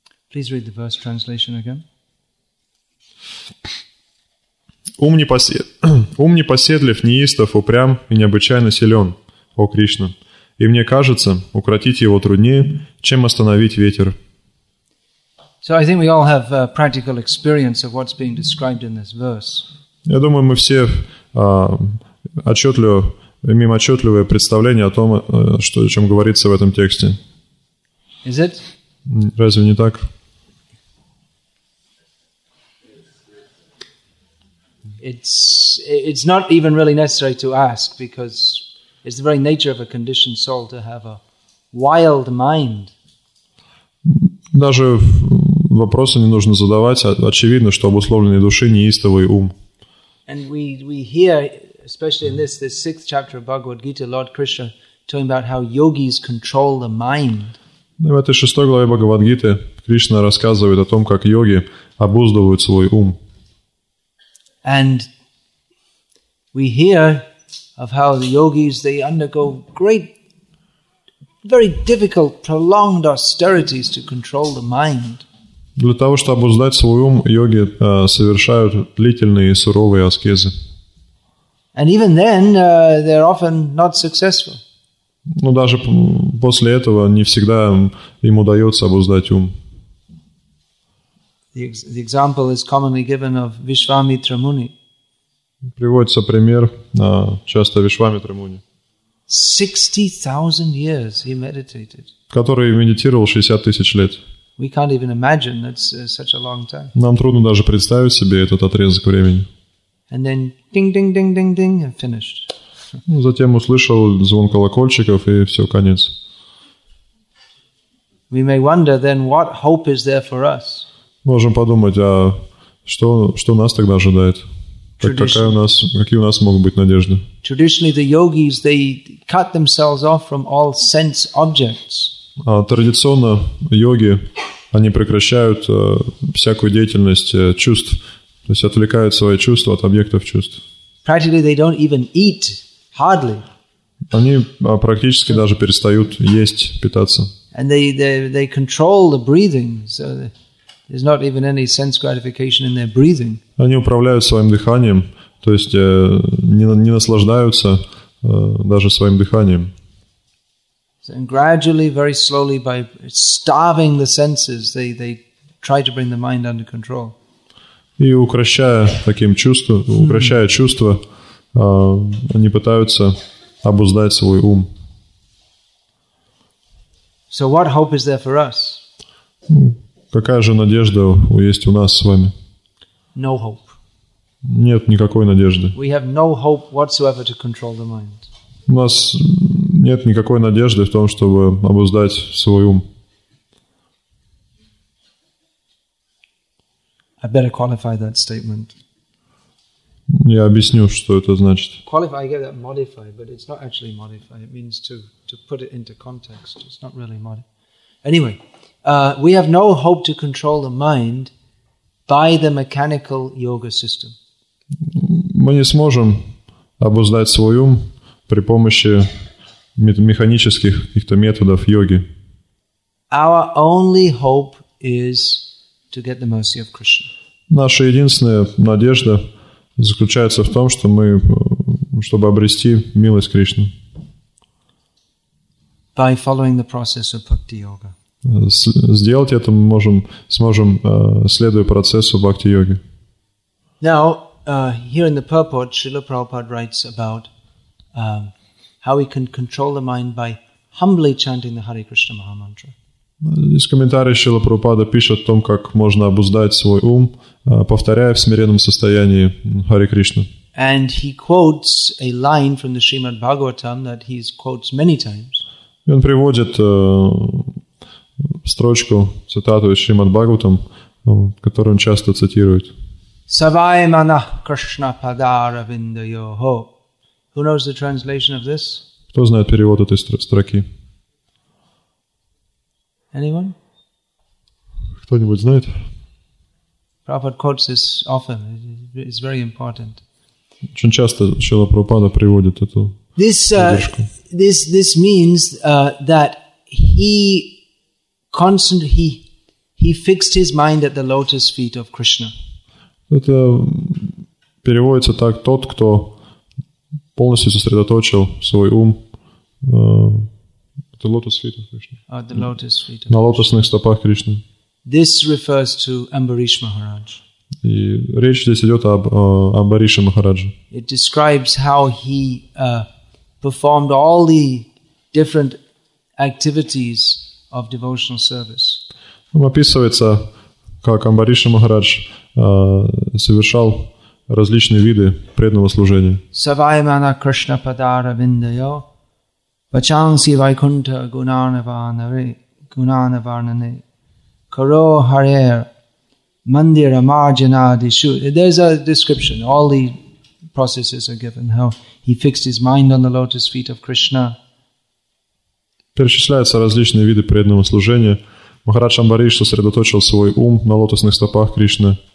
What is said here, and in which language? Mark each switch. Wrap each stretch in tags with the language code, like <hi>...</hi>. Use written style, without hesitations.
<en>Please read the verse translation again.</en> <ru>Ум непоседлив, неистов, упрям и необычайно силен, о Кришна. И мне кажется, укротить его труднее, чем остановить ветер.</ru> <en>So I think we all have a practical experience of what's being described in this verse.</en> <ru>Я думаю, мы все отчетливое представление о том, что о чем говорится в этом тексте.</ru> <en>Is it?</en> <ru>Разве не так?</ru> <en>It's not even really necessary to ask because it's the very nature of a conditioned soul to have a wild mind.</en> <ru>Даже вопросы не нужно задавать, очевидно, что обусловленной души неистовый ум.</ru> <en>And we hear, especially in this sixth chapter of Bhagavad Gita, Lord Krishna talking about how yogis control the mind.</en> <ru>В этой шестой главе Бхагавад Гиты Кришна рассказывает о том, как йоги обуздывают свой ум.</ru> <en>And we hear of how the yogis, they undergo great very difficult, prolonged austerities to control the mind.</en> <ru>Для того, чтобы узнать свой ум, йоги совершают длительные и суровые аскезы.</ru> <en>And even then, they're often not successful.</en> <ru>Но даже после этого не всегда им удается обуздать ум.</ru> <en>The example is commonly given of Vishwamitra Muni.</en> <ru>Приводится пример часто Вишвамитра Муни.</ru> <en>60,000 years he meditated.</en> <ru>Который медитировал 60 тысяч лет.</ru> <en>We can't even imagine that's such a long time.</en> <ru>Нам трудно даже представить себе этот отрезок времени.</ru> <en>And then ding, ding, ding, ding, ding, and finished.</en> <ru>Затем услышал звон колокольчиков и все, конец.</ru> <en>We may wonder then what hope is there for us.</en> <ru>Можем подумать, а что нас тогда ожидает? Какие у нас могут быть надежды?</ru> <en>Traditionally, the yogis they cut themselves off from all sense objects.</en> <ru>Традиционно йоги они прекращают всякую деятельность чувств, то есть отвлекают свои чувства от объектов чувств.</ru> <en>Practically, they don't even eat. Hardly.</en> <ru>Они практически даже перестают есть, питаться.</ru> <en>And they control the breathing, so there's not even any sense gratification in their breathing.</en> <ru>Они управляют своим дыханием, то есть не наслаждаются даже своим дыханием.</ru> <en>And gradually, very slowly, by starving the senses, they try to bring the mind under control.</en> <ru>И укрощая чувства. Они пытаются обуздать свой ум.</ru> <en>So what hope is there for us?</en> <ru>Какая же надежда есть у нас с вами?</ru> <en>No hope.</en> <ru>Нет никакой надежды.</ru> <en>We have no hope whatsoever to control the mind.</en> <ru>У нас нет никакой надежды в том, чтобы обуздать свой ум.</ru> <en>I better qualify that statement.</en> <ru>Я объясню, что это значит.</ru> <en>Qualify, I get that modify, but it's not actually modify. It means to put it into context. It's not really modify. Anyway, we have no hope to control the mind by the mechanical yoga system.</en> <ru>Мы не сможем обуздать свой ум при помощи механических каких-то методов йоги.</ru> <en>Our only hope is to get the mercy of Krishna.</en> <ru>Наша единственная надежда заключается в том, чтобы обрести милость Кришны.</ru> <en>By following the process of bhakti yoga.</en> <ru>Сделать это мы сможем, следуя процессу бхакти йоги.</ru> <en>Now, here in the purport, Srila Prabhupada writes about how we can control the mind by humbly chanting the Hare Krishna Maha Mantra.</en> <ru>Здесь комментарий Шрила Прабхупада пишет о том, как можно обуздать свой ум, повторяя в смиренном состоянии Харе Кришну.</ru> <en>And he quotes a line from the Shrimad Bhagavatam that he quotes many times.</en> <ru>И он приводит строчку, цитату из Шримад Бхагаватам, которую он часто цитирует.</ru> <sa>Савай манах Кришна падара винда йохо.</sa> <en>Who knows the translation of this?</en> <ru>Кто знает перевод этой строки?</ru> <en>Anyone?</en> <ru>Кто-нибудь знает?</ru> <en>Prabhupada quotes this often. It's very important.</en> <ru>Очень часто Шрила Прабхупада приводит эту поддержку.</ru> <en>This means that he fixed his mind at the lotus feet of Krishna.</en> <ru>Это переводится так: тот, кто полностью сосредоточил свой ум на лотосных стопах Кришны.</ru> <en>This refers to Ambarish Maharaj.</en> <ru>И речь здесь идет об Амбарише Махарадже.</ru> <en>It describes how he performed all the different activities of devotional service.</en> <ru>Описывается, как Амбариша Махарадж совершал различные виды преданного служения.</ru> <sa>Савайамана Кришна Падара Виндайо. Vachansi Vaikuntha Gunanavarnane Karo Harer Mandira Marjana Dishu.</sa> <en>There's a description. All the processes are given. How he fixed his mind on the lotus feet of Krishna.</en> <ru>Перечисляются различные виды преданного служения. Махарадж Амбариш сосредоточил свой ум на лотосных стопах Кришны.</ru>